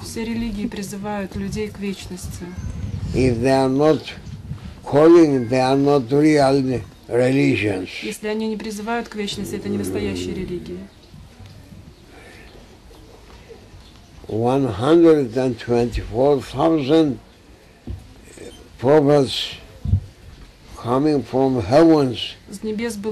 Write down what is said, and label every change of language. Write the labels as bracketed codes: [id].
[ru] Все религии призывают людей к вечности. [en] If they are not calling, they are not real religions. [ru] Если они не призывают к вечности, это не настоящие религии. [en] 124,000 prophets coming from heavens. [ru] С небес было.